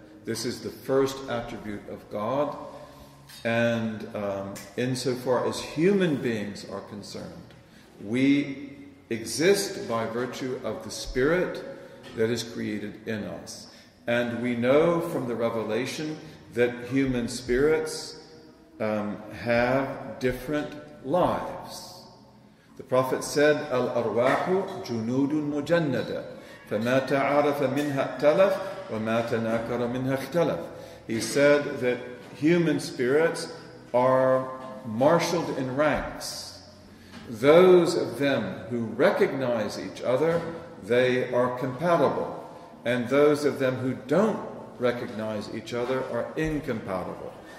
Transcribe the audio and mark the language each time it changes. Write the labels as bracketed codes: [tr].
[en] This is the first attribute of God. And insofar as human beings are concerned, we exist by virtue of the spirit that is created in us. And we know from the revelation that human spirits have different lives. The Prophet said, [ar] Al-arwahu junudun mujannada, فَمَا تَعَرَفَ مِنْهَا اتَّلَفْ وَمَا تَنَاكَرَ مِنْهَا اخْتَلَفْ. [en] He said that human spirits are marshaled in ranks. Those of them who recognize each other, they are compatible. And those of them who don't recognize each other are incompatible.